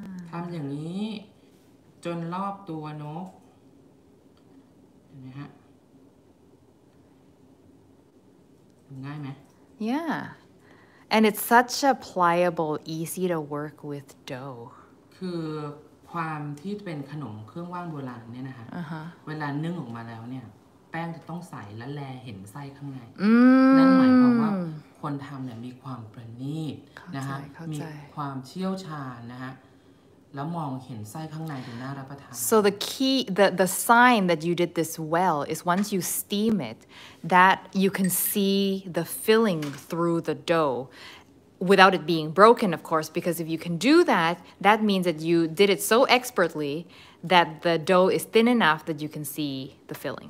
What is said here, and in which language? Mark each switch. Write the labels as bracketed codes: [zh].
[th] ทำอย่างนี้จนรอบตัวนกเห็นไหมฮะง่ายไหม [en] Yeah and it's such a pliable easy to work with dough [th] คือความที่เป็นขนมเครื่องว่างโบราณเนี่ยนะคะ [en] uh-huh. [th] เวลานึ่งออกมาแล้วเนี่ยแป้งจะต้องใสและแลเห็นไส้ข้างใน [en] mm-hmm. [th] นั่นหมายความว่าคนทำเนี่ยมีความประณีตนะฮะมี ความเชี่ยวชาญนะฮะแล้วมองเห็นไส้ข้างในดูน่ารับประทาน [en] So the key the sign that you did this well is once you steam it that you can see the filling through the dough without it being broken of course because if you can do that that means that you did it so expertly that the dough is thin enough that you can see the filling